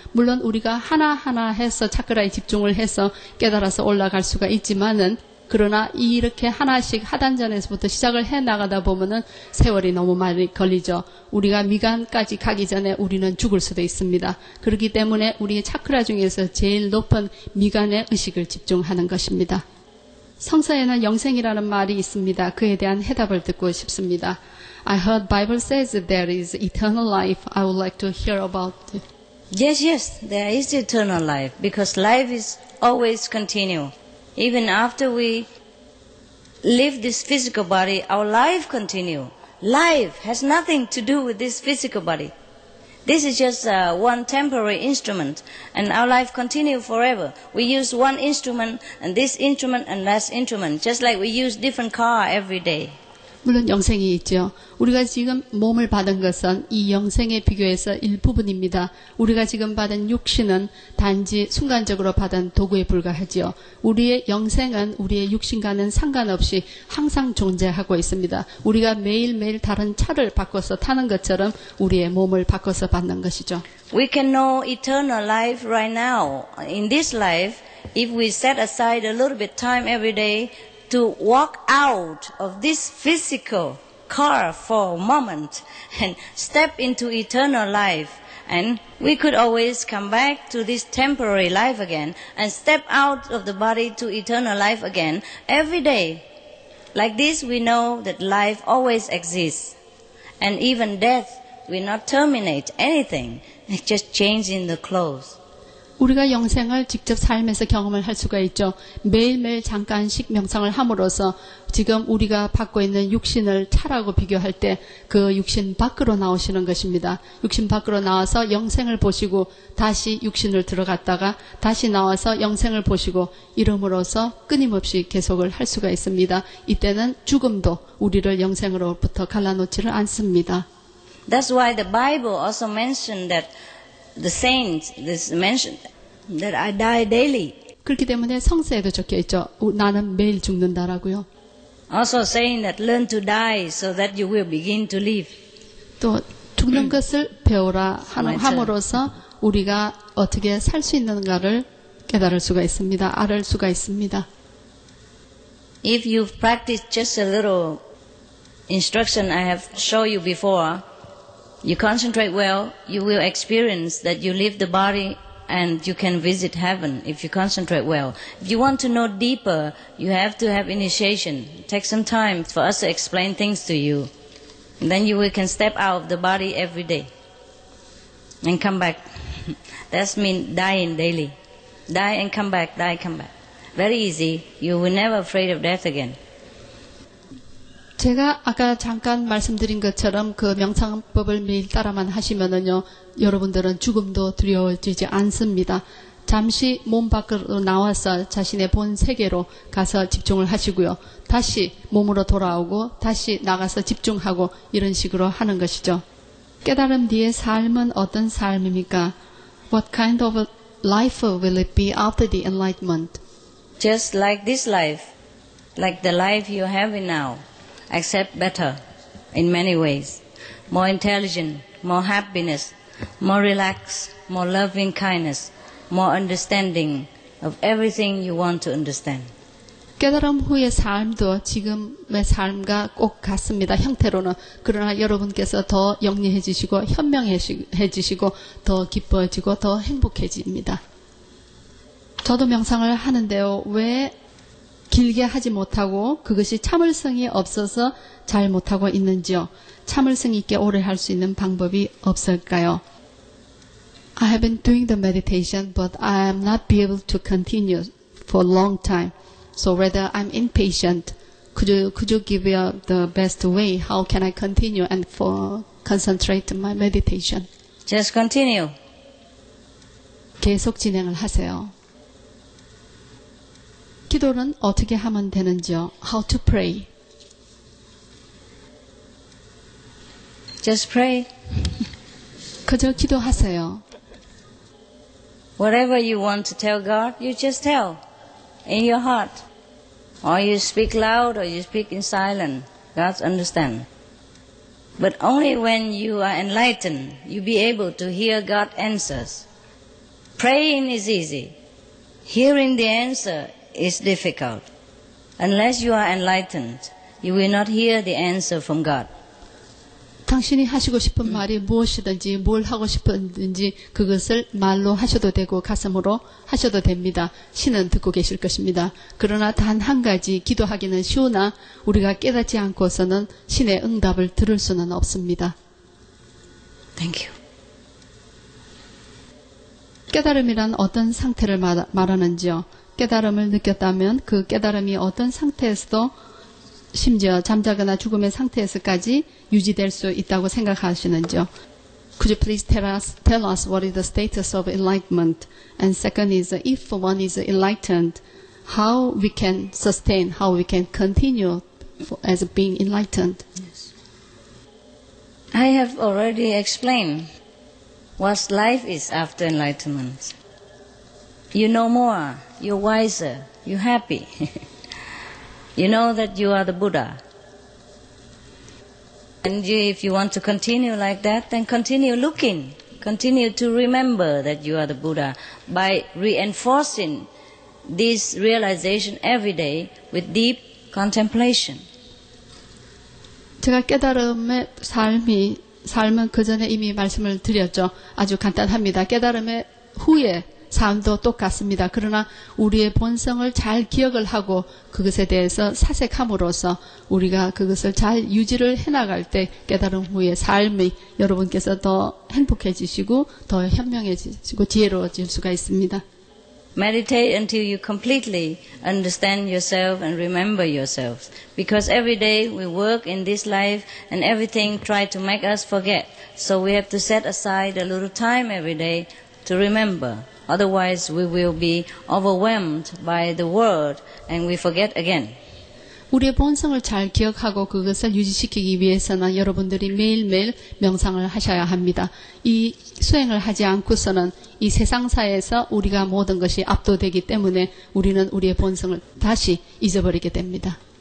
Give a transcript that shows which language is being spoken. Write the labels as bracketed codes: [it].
[ko] 물론 우리가 하나하나 해서 차크라에 집중을 해서 깨달아서 올라갈 수가 있지만은 그러나 이렇게 하나씩 하단전에서부터 시작을 해나가다 보면은 세월이 너무 많이 걸리죠. 우리가 미간까지 가기 전에 우리는 죽을 수도 있습니다. 그렇기 때문에 우리의 차크라 중에서 제일 높은 미간의 의식을 집중하는 것입니다. 성서에는 영생이라는 말이 있습니다. 그에 대한 해답을 듣고 싶습니다. [en] I heard Bible says there is eternal life. I would like to hear about it. Yes, yes, there is eternal life because life is always continue. Even after we leave this physical body, our life continue. Life has nothing to do with this physical body. This is just one temporary instrument, and our life continues forever. We use one instrument, and this instrument, and last instrument, just like we use different car every day. [ko] 물론 영생이 있죠. 우리가 지금 몸을 받은 것은 이 영생에 비교해서 일부분입니다. 우리가 지금 받은 육신은 단지 순간적으로 받은 도구에 불과하죠. 우리의 영생은 우리의 육신과는 상관없이 항상 존재하고 있습니다. 우리가 매일매일 다른 차를 바꿔서 타는 것처럼 우리의 몸을 바꿔서 받는 것이죠. [en] We can know eternal life right now in this life if we set aside a little bit time every day to walk out of this physical car for a moment and step into eternal life. And we could always come back to this temporary life again and step out of the body to eternal life again every day. Like this, we know that life always exists. And even death will not terminate anything. It just changes in the clothes. [ko] 우리가 영생을 직접 삶에서 경험을 할 수가 있죠. 매일매일 잠깐씩 명상을 함으로써 지금 우리가 받고 있는 육신을 차라고 비교할 때 그 육신 밖으로 나오시는 것입니다. 육신 밖으로 나와서 영생을 보시고 다시 육신을 들어갔다가 다시 나와서 영생을 보시고 이름으로써 끊임없이 계속을 할 수가 있습니다. 이때는 죽음도 우리를 영생으로부터 갈라놓지를 않습니다. [en] That's why the Bible also mentioned that The saints, this mentioned that I die daily. [ko] 그렇기 때문에 성서에도 적혀 있죠. 나는 매일 죽는다라고요. [en] Also saying that learn to die so that you will begin to live. [ko] 또 죽는 것을 배워라 함으로써 우리가 어떻게 살 수 있는가를 깨달을 수가 있습니다. 알을 수가 있습니다. [en] If you practice just a little instruction I have shown you before, You concentrate well, you will experience that you leave the body and you can visit heaven if you concentrate well. If you want to know deeper, you have to have initiation. Take some time for us to explain things to you. And then you can step out of the body every day and come back. That means dying daily. Die and come back, die and come back. Very easy. You will never be afraid of death again. [ko] 제가 아까 잠깐 말씀드린 것처럼 그 명상법을 매일 따라만 하시면은요, 여러분들은 죽음도 두려워지지 않습니다. 잠시 몸 밖으로 나와서 자신의 본 세계로 가서 집중을 하시고요. 다시 몸으로 돌아오고 다시 나가서 집중하고 이런 식으로 하는 것이죠. 깨달음 뒤에 삶은 어떤 삶입니까? [en] What kind of a life will it be after the enlightenment? Just like this life, like the life you have now. Except better in many ways. More intelligent, more happiness, more relaxed, more loving kindness, more understanding of everything you want to understand. [ko] 깨달음 후의 삶도 지금의 삶과 꼭 같습니다. 형태로는. 그러나 여러분께서 더 영리해지시고 현명해지시고 더 기뻐지고 더 행복해집니다. 저도 명상을 하는데요. 왜 길게 하지 못하고 그것이 참을성이 없어서 잘 못하고 있는지요. 참을성 있게 오래 할 수 있는 방법이 없을까요? [en] I have been doing the meditation, but I am not be able to continue for a long time. So rather I'm impatient. Could you give me the best way? How can I continue and for concentrate my meditation? Just continue. [ko] 계속 진행을 하세요. 기도는 어떻게 하면 되는지요? [en] How to pray? Just pray. [ko] 그저 기도하세요. [en] Whatever you want to tell God, you just tell in your heart. Or you speak loud or you speak in silent. God understands. But only when you are enlightened, you be able to hear God's answers. Praying is easy. Hearing the answer is difficult. Unless you are enlightened, you will not hear the answer from God. [ko] 당신이 하시고 싶은 말이 무엇이든지 뭘 하고 싶은지 그것을 말로 하셔도 되고 가슴으로 하셔도 됩니다. 신은 듣고 계실 것입니다. 그러나 단 한 가지 기도하기는 쉬우나 우리가 깨닫지 않고서는 신의 응답을 들을 수는 없습니다. [en] Thank you. [ko] 깨달음이란 어떤 상태를 말하는지요? 깨달음을 느꼈다면 그 깨달음이 어떤 상태에서도 심지어 잠자거나 죽음의 상태에서까지 유지될 수 있다고 생각하시는지요? [en] Could you please tell us what is the status of enlightenment? And second is, if one is enlightened, how we can sustain, how we can continue as being enlightened. Yes. I have already explained what life is after enlightenment. You know more, you're wiser, you're happy. You know that you are the Buddha. And you, if you want to continue like that, then continue looking. Continue to remember that you are the Buddha by reinforcing this realization every day with deep contemplation. [ko] 제가 깨달음의 삶이, 삶은 그 전에 이미 말씀을 드렸죠. 아주 간단합니다. 깨달음의 후에 삶도 똑같습니다. 그러나 우리의 본성을 잘 기억을 하고 그것에 대해서 사색함으로써 우리가 그것을 잘 유지를 해나갈 때 깨달음 후에 삶이 여러분께서 더 행복해지시고 더 현명해지시고 지혜로워질 수가 있습니다. [en] Meditate until you completely understand yourself and remember yourself. Because every day we work in this life and everything tries to make us forget. So we have to set aside a little time every day to remember. Otherwise, we will be overwhelmed by the world and we forget again. [ko] 우리의 본성을 잘 기억하고 그것을 유지시키기 위해서는 여러분들이 매일매일 명상을 하셔야 합니다. 이 수행을 하지 않고서는 이 세상사에서 우리가 모든 것이 압도되기 때문에 우리는 우리의 본성을 다시 잊어버리게 됩니다.